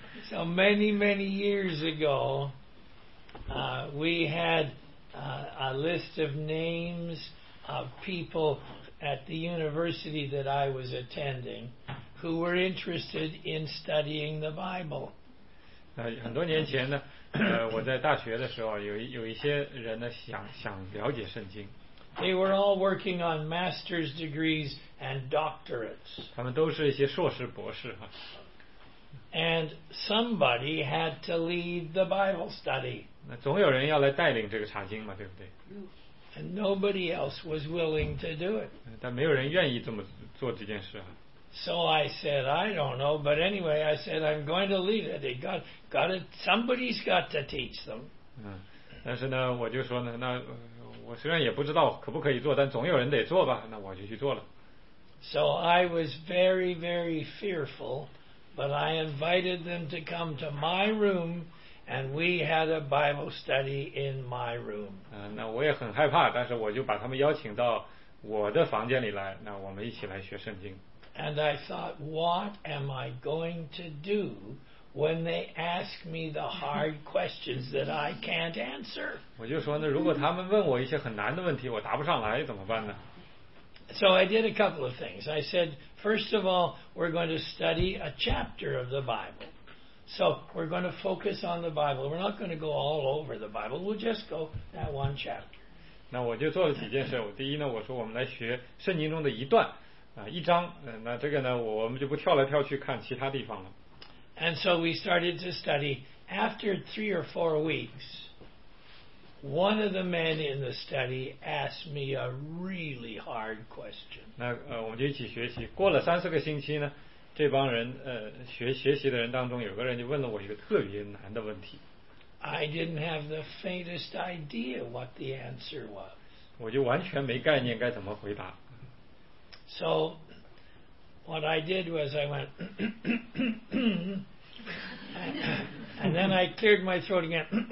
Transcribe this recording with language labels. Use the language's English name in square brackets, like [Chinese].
[English] So many, many years ago, we had a list of names of people at the university that I was attending who were interested in studying the Bible. [Chinese] 很多年前呢，我在大学的时候，有一些人呢想了解圣经。 [English] They were all working on master's degrees and doctorates. [Chinese] 他们都是一些硕士、博士哈。 [English] And somebody had to lead the Bible study. [Chinese] 那总有人要来带领这个查经嘛，对不对 [English] ？And nobody else was willing to do it. [Chinese] 但没有人愿意这么做这件事啊。 [English] So I said, I don't know, but anyway, I said, I'm going to lead it. They got it. Somebody's got to teach them. [Chinese] 但是呢，我就说呢，那我虽然也不知道可不可以做，但总有人得做吧，那我就去做了。 [English] So I was very, very fearful, but I invited them to come to my room, and we had a Bible study in my room. [Chinese] 那我也很害怕，但是我就把他们邀请到我的房间里来，那我们一起来学圣经。 [English] And I thought, what am I going to do when they ask me the hard questions that I can't answer? [Chinese] 我就说呢，如果他们问我一些很难的问题，我答不上来怎么办呢？ [English] So I did a couple of things. I said, first of all, we're going to study a chapter of the Bible. So we're going to focus on the Bible. We're not going to go all over the Bible. We'll just go that one chapter. [Chinese] 那我就做了几件事。第一呢，我说我们来学圣经中的一段。一章，那这个呢，我们就不跳来跳去看其他地方了。 [English] And so we started to study. After three or four weeks, one of the men in the study asked me a really hard question. [Chinese] 那我们就一起学习。过了三四个星期呢，这帮人学习的人当中，有个人就问了我一个特别难的问题。 [English] I didn't have the faintest idea what the answer was. [Chinese] 我就完全没概念该怎么回答。 [English] So, what I did was I went, and then I cleared my throat again.